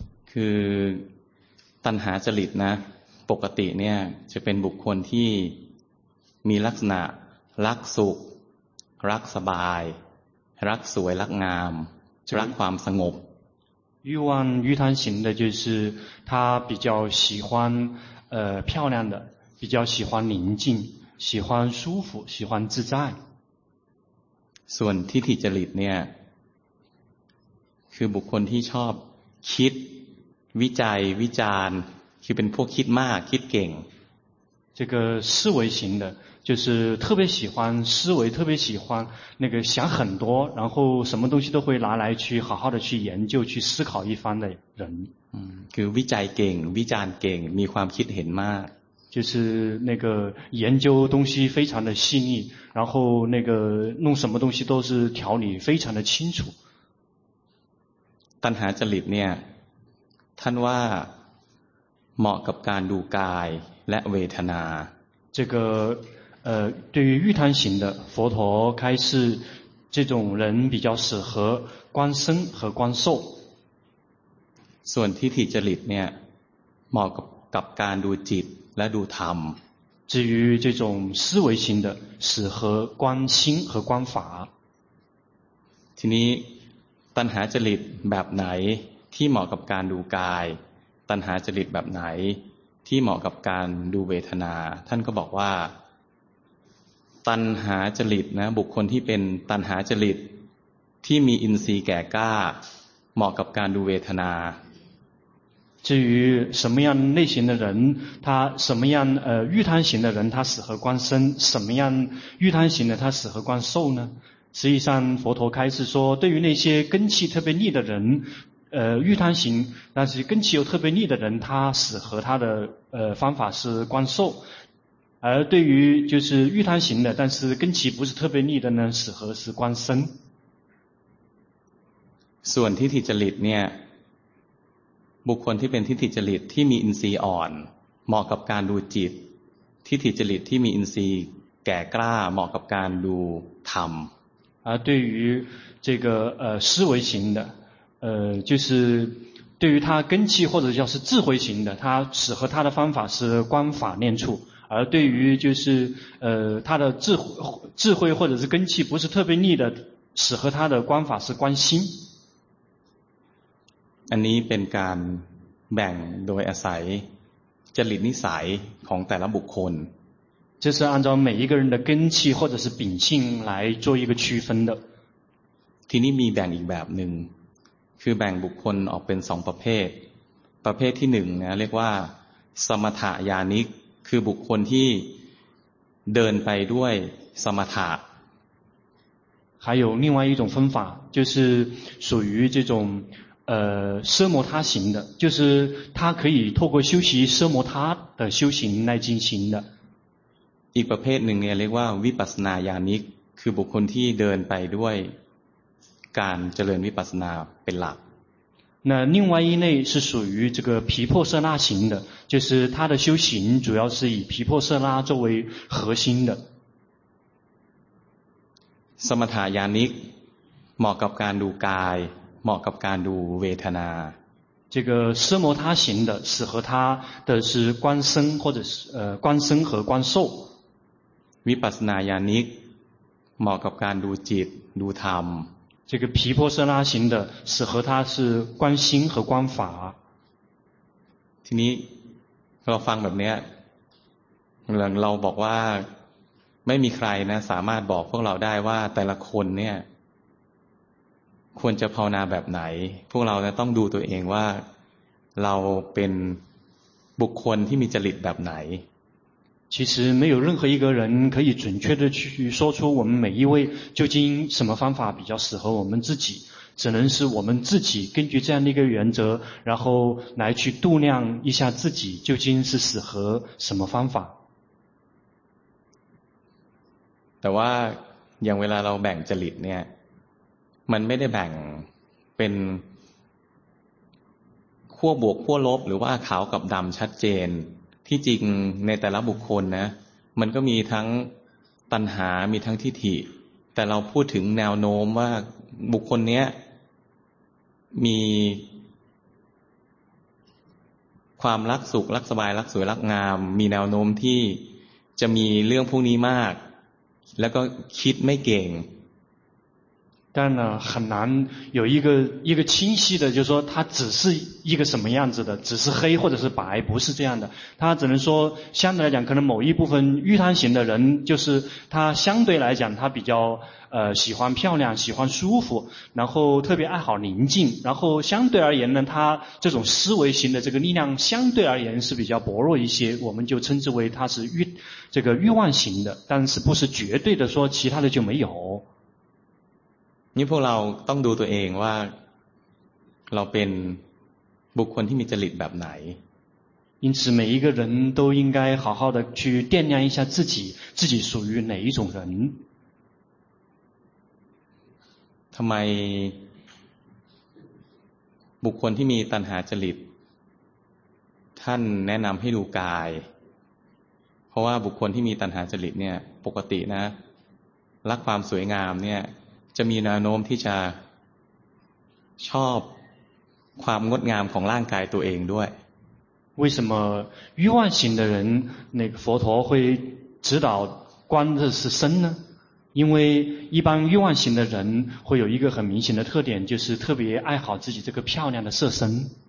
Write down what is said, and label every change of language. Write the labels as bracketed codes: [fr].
[th] คือตัณหาจริตนะปกติเนี่ยจะเป็นบุคคลที่มีลักษณะรักสุขรักสบายรักสวยรักงามรักความสงบ [zh] 欲望欲贪型的就是他比较喜欢漂亮的比较喜欢宁静喜欢舒服喜欢自在 [th] ส่วนทิฏฐิจริตเนี่ยคือบุคคลที่ชอบคิดวิจัยวิจารณ์คือเป็นพวกคิดมากคิดเก่ง [zh] 这个思维型的就是特别喜欢思维特别喜欢那个想很多然后什么东西都会拿来去好好的去研究去思考一番的人 [th] คือวิจัยเก่งวิจารณ์เก่งมีความคิดเห็นมาก [zh] 就是那个研究东西非常的细腻然后那个弄什么东西都是条理非常的清楚 [th] ตัณหาจริตเนี่ยท่านว่าเหมาะกับการดูกายและเวทนา [zh] 这个对于欲贪型的佛陀开示这种人比较适合观身和观受 [th] ส่วนทิฏฐิจริตเนี่ยเหมาะกับการดูจิตและดูธรรม [zh] 至于这种思维型的适合观心和观法 [th] ทีนี้ตัณหาจริตแบบไหนที่เหมาะกับการดูกายตัณหาจริตแบบไหนที่เหมาะกับการดูเวทนาท่านก็บอกว่าตัณหาจริตนะบุคคลที่เป็นตัณหาจริตที่มีอินทรีย์แก่กล้าเหมาะกับการดูเวทนา [zh] 至于什么样类型的人他什么样欲贪型的人他适合观身什么样欲贪型的他适合观受呢实际上佛陀开示说对于那些根气特别腻的人欲贪型但是根气又特别腻的人他适合他的方法是观受而对于就是欲贪型的但是根气不是特别腻的呢适合是观身 [th] ส่วนทิฏฐิจริตเนี่ยบุคคลที่เป็นทิฏฐิจริตที่มีอินทรีย์อ่อนเหมาะกับการดูจิตทิฏฐิจริตที่มีอินทรีย์แก่กล้าเหมาะกับการดูธรรม [zh] 对于这个思维型的就是对于他根器或者叫是智慧型的，他适合他的方法是观法念处，而对于就是他的智慧或者是根器不是特别利的，适合他的观法是观心。 [th] อันนี้เป็นการแบ่งโดยอาศัยจริตนิสัยของแต่ละบุคคล [zh] 这是按照每一个人的根器或者是秉性来做一个区分的。 [th] ทีนี้มีแบ่งอีกแบบหนึ่งคือแบ่งบุคคลออกเป็นสองประเภทประเภทที่หนึ่งนะเรียกว่าสมถญาณิกคือบุคคลที่เดินไปด้วยสมถะ [zh] 还有另外一种分法就是属于这种奢摩他行的就是他可以透过修习奢摩他的修行来进行的 [th] อีกประเภทหนึ่งเนี่ยเรียกว่าวิปัสสนาญาณิกคือบุคคลที่เดินไปด้วยการเจริญวิปัสสนาเป็นหลัก [zh] 那另外一类是属于这个毗婆舍那行的就是他的修行主要是以毗婆舍那作为核心的 [th] สมถญาณิกเหมาะกับการดูกายเหมาะกับการดูเวทนา [zh] 这个奢摩他行的适合他的是观身或者是观身和观受 [th] วิปัสสนาญาณิกเหมาะกับการดูจิตดูธรรม [zh] 这个毗婆舍那行的适合他是观心和观法 [th] ทีนี้เราฟังแบบนี้เราบอกว่าไม่มีใครนะสามารถบอกพวกเราได้ว่าแต่ละคนเนี่ยควรจะภาวนาแบบไหนพวกเราต้องดูตัวเองว่าเราเป็นบุคคลที่มีจริตแบบไหน [zh] 其实没有任何一个人可以准确的去说出我们每一位究竟什么方法比较适合我们自己只能是我们自己根据这样的一个原则然后来去度量一下自己究竟是适合什么方法 [th] แต่ว่าอย่างเวลาเราแบ่งจริตเนี่ยมันไม่ได้แบ่งเป็นขั้วบวกขั้วลบหรือว่าขาวกับดำชัดเจนที่จริงในแต่ละบุคคลนะมันก็มีทั้งตัณหามีทั้งทิฏฐิแต่เราพูดถึงแนวโน้มว่าบุคคลนี้มี ความรักสุขรักสบายรักสวยรักงามมีแนวโน้มที่จะมีเรื่องพวกนี้มากแล้วก็คิดไม่เก่ง [zh] 但呢很难有一个清晰的就是说它只是一个什么样子的只是黑或者是白不是这样的它只能说相对来讲可能某一部分欲贪型的人就是他相对来讲他比较喜欢漂亮喜欢舒服然后特别爱好宁静然后相对而言呢他这种思维型的这个力量相对而言是比较薄弱一些我们就称之为他是欲望型的但是不是绝对的说其他的就没有 [th] นี่พวกเราต้องดูตัวเองว่าเราเป็นบุคคลที่มีจริตแบบไหน [zh] 因此每一个人都应该好好的去掂量一下自己属于哪一种人 [th] ทำไมบุคคลที่มีตัณหาจริตท่านแนะนำให้ดูกายเพราะว่าบุคคลที่มีตัณหาจริตเนี่ยปกตินะรักความสวยงามเนี่ยจะมีแนวโน้มที่จะชอบความงดงามของร่างกายตัวเองด้วย [zh] 为什么欲望型的人那个佛陀会指导观的是身呢因为一般欲望型的人会有一个很明显的特点就是特别爱好自己这个漂亮的色身